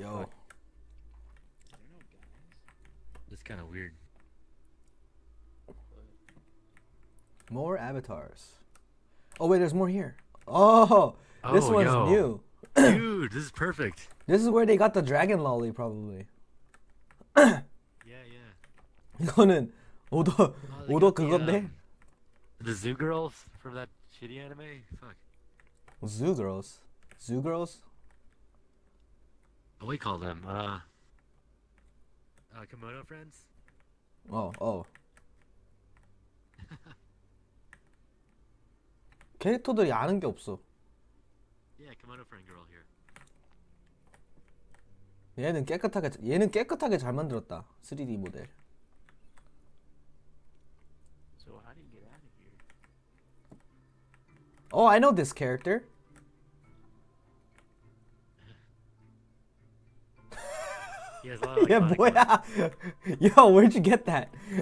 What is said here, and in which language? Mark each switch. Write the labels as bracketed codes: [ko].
[en] know, guys. This is kinda weird. More avatars. Oh wait, there's more here. Oh, this oh, one's yo. New. Dude, this is perfect. This is where they got the dragon lolly, probably. Yeah. [ko] 이거는 오더 오더 그건데. [en] The zoo girls from that shitty anime. Fuck. Zoo girls. What do we call them? Kimono friends. Oh. [ko] 캐릭터들이 아는 게 없어. [en] Yeah, Kimono Friend Girl here. [ko] 얘는 깨끗하게 잘 만들었다. 3D 모델. [en] So how do you get out of here? Oh, I know this character. Yeah, boy. Yo, where'd you get that?